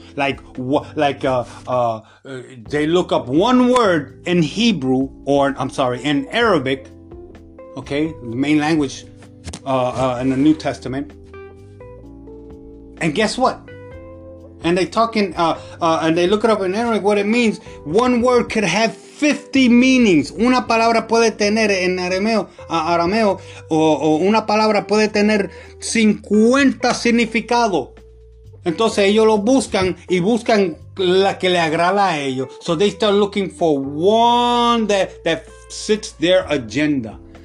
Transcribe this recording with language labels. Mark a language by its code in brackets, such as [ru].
[en] They look up one word in Hebrew, or I'm sorry, in Arabic, okay, the main language in the New Testament. And guess what? And they talk in, and they look it up in Arabic, what it means. One word could have 50 meanings. [es] Una palabra puede tener en arameo, o una palabra puede tener 50 significados. Entonces ellos lo buscan y buscan la que le agrada a ellos. [en] So they start looking for one that fits their agenda.